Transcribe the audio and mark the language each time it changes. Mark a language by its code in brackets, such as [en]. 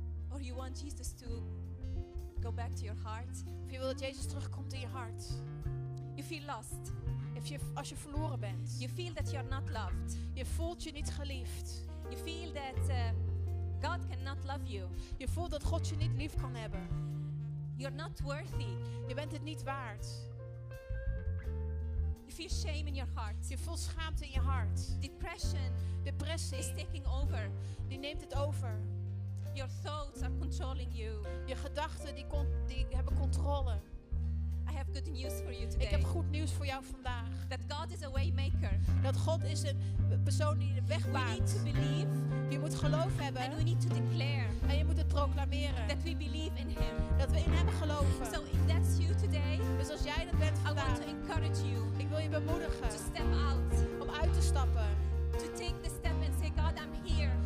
[en] or you want Jesus to go back to your heart, [nl] of je wil dat Jezus terugkomt in je hart, [en] you feel lost. [nl] Als je verloren bent, [en] you feel that you are not loved. [nl] Je voelt je niet geliefd. [en] You feel that God cannot love you. [nl] Je voelt dat God je niet lief kan hebben. [en] You're not worthy. [nl] Je bent het niet waard. [en] You feel shame in your heart. [nl] Je voelt schaamte in je hart. [en] Depressie is taking over. [nl] Die neemt het over. [en] Your thoughts are controlling you. [nl] Je gedachten die hebben controle. [en] I have good news for you today. [nl] Ik heb goed nieuws voor jou vandaag. [en] That God is a waymaker. [nl] Dat God is een persoon die de weg baant. [en] We need to believe. [nl] Je moet geloof hebben. [en] And we need to declare. [nl] En je moet het proclameren. [en] That we believe in Him. [nl] Dat we in Hem geloven. [en] So if that's you today. [nl] Dus als jij dat bent vandaag. [en] I want to encourage you. [nl] Ik wil je bemoedigen. [en] To step out. [nl] Om uit te stappen. [en] To take the step and say, God, I'm here.